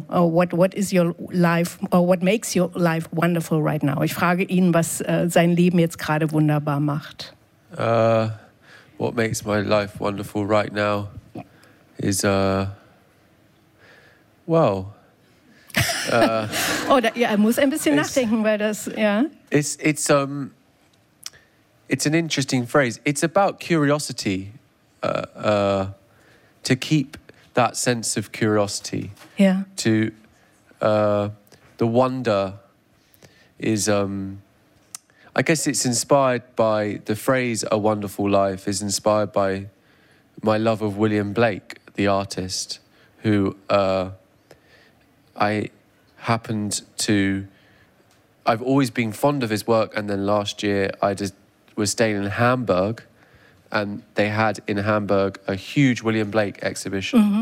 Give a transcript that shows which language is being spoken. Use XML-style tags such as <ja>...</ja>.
<en>Or what is your life? Or what makes your life wonderful right now?</en> <de>Ich frage ihn, was sein Leben jetzt gerade wunderbar macht.</de> <en>What makes my life wonderful right now is well.</en> <de>I muss ein bisschen nachdenken, weil das, ja.</de> <en>It's an interesting phrase. It's about curiosity, to keep that sense of curiosity. Yeah. To the wonder is, I guess it's inspired by the phrase "A Wonderful Life" is inspired by my love of William Blake, the artist, who I've always been fond of his work, and then last year I just was staying in Hamburg, and they had in Hamburg a huge William Blake exhibition.</en>